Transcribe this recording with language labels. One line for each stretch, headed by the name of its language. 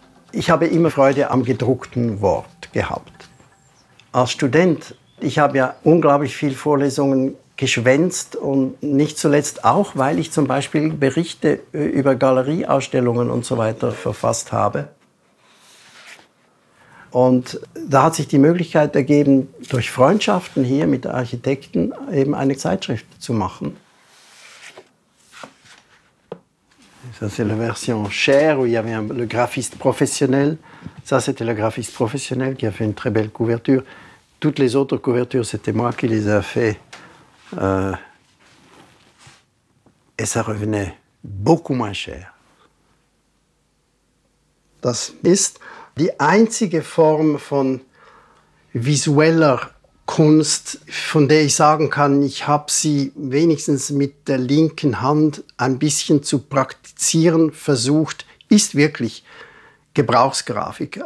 German: Ich habe immer Freude am gedruckten Wort gehabt. Als Student, ich habe ja unglaublich viel Vorlesungen geschwänzt und nicht zuletzt auch, weil ich zum Beispiel Berichte über Galerieausstellungen und so weiter verfasst habe. Und da hat sich die Möglichkeit ergeben, durch Freundschaften hier mit Architekten eben eine Zeitschrift zu machen.
French: Ça c'est la version chère où il y avait le graphiste professionnel. Ça c'était le graphiste professionnel qui a fait une très belle couverture. Toutes les autres couvertures, c'était moi qui les a fait. Et ça revenait beaucoup moins cher.
German: Das ist die einzige Form von visueller Kunst, von der ich sagen kann, ich habe sie wenigstens mit der linken Hand ein bisschen zu praktizieren versucht, ist wirklich Gebrauchsgrafik.